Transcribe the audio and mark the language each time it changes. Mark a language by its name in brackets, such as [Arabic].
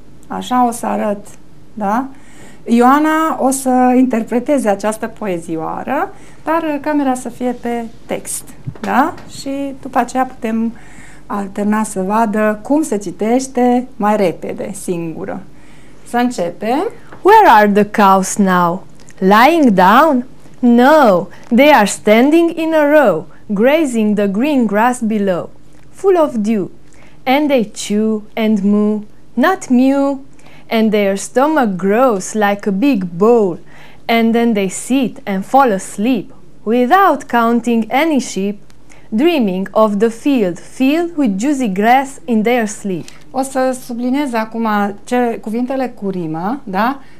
[Romanian] Așa o să arăt, da? Ioana o să interpreteze această poezioară, dar camera să fie pe text, da? Și după aceea putem alterna să vadă cum se citește mai repede, singură. Să începe. [English] Where are the cows now? Lying down? No, they are standing in a row, grazing the green grass below, full of dew. And they chew and moo, not mew. And their stomach grows like a big bowl, and then they sit and fall asleep, without counting any sheep, dreaming of the field filled with juicy grass in their sleep. [Romanian] O să subliniez acum cele cuvintele cu rimă, da?